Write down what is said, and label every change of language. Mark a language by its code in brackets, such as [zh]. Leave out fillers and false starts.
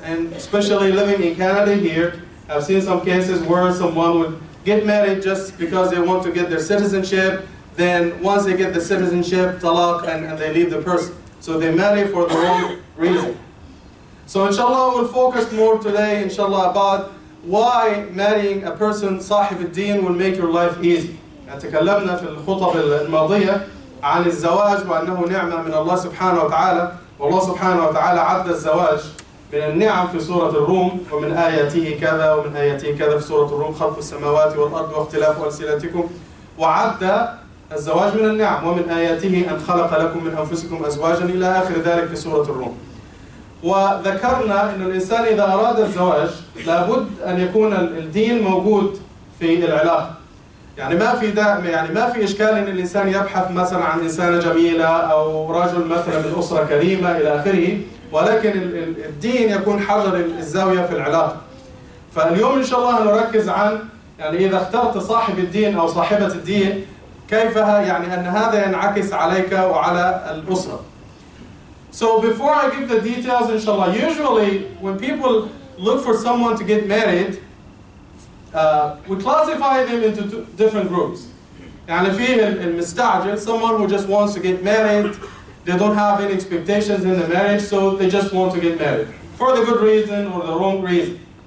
[en] And especially living in Canada here, I've seen some cases where someone would get married just because they want to get their citizenship. Then once they get the citizenship, talaq, and they leave the person. So they marry for the wrong reason. So inshallah, we'll focus more today, inshallah, about why marrying a person, sahib al-deen, will make your life easy. [ar] تكلمنا في الخطب الماضية عن الزواج وأنه نعمة من الله سبحانه وتعالى، والله سبحانه وتعالى عد الزواج من النعم في سورة الروم، ومن آياته كذا ومن آياته كذا في سورة الروم، خلق السماوات والأرض واختلاف ألسنتكم، وعد الزواج من النعم، ومن آياته أن خلق لكم من أنفسكم أزواجا إلى آخر ذلك في سورة الروم. وذكرنا أن الإنسان إذا أراد الزواج لابد أن يكون الدين موجود في العلاقة. يعني ما في دعم، يعني ما في إشكال إن الإنسان يبحث مثلا عن إنسانة جميلة أو رجل مثلا من أسرة كريمة إلى آخره، ولكن الدين يكون حجر الزاوية في العلاقة. فاليوم إن شاء الله هنركز عن يعني إذا اخترت صاحب الدين أو صاحبة الدين كيفها، يعني أن هذا ينعكس عليك وعلى الأسرة. [en] So before I give the details, inshallah, usually when people look for someone to get married, we classify them into two different groups. [ar] يعني في المستعجل, [en] someone who just wants to get married, they don't have any expectations in the marriage, so they just want to get married for the good reason or the wrong reason.